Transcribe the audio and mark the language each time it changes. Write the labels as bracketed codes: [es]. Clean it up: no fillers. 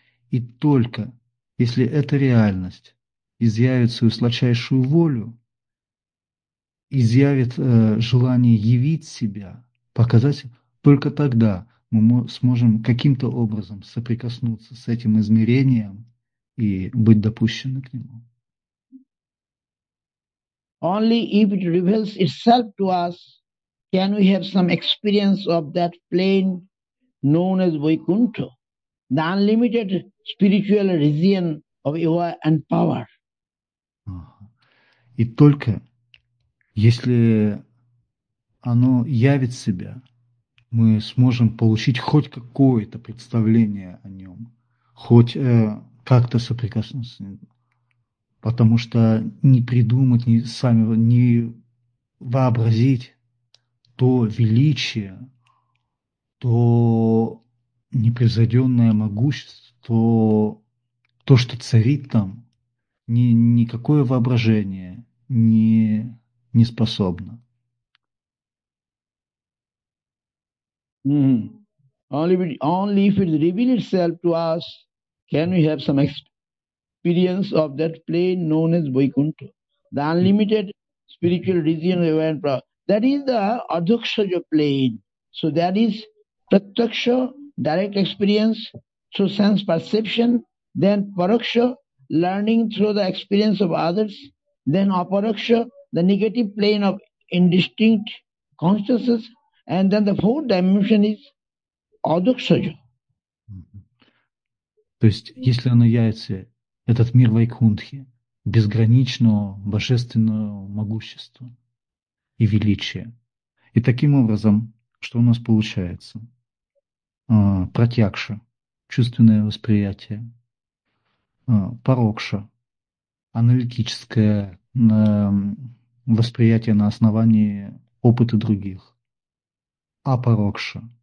[ru] И только если эта реальность изъявит свою сладчайшую волю, изъявит желание явить себя, показать, только тогда мы сможем каким-то образом соприкоснуться с этим измерением и быть допущены к нему. [en] Only if it reveals itself to us, can we have some experience of that plane known as Vaikuntha, the unlimited spiritual region of Eva and power. [ru] И только если оно явит себя, мы сможем получить хоть какое-то представление о нем, хоть как-то соприкоснуться с ним. Потому что не придумать, не сами, не вообразить то величие, то непревзойденное могущество, то, что царит там, никакое воображение не способно. [en] Only if it reveals itself to us, can we have some experience of that plane known as Vaikuntha, the unlimited spiritual region of Eva and Power. That is the Adhokshaja plane. So that is pratyaksha, direct experience through sense perception, then paroksha, learning through the experience of others, then aparoksha, the negative plane of indistinct consciousness, and then the fourth dimension is Adhokshaja. [ru] То есть, если оно является, этот мир Вайкунтхи, безграничного божественного могущества и величия, и таким образом, что у нас получается? Пратьякша, чувственное восприятие, парокша, аналитическое восприятие на основании опыта других, апарокша,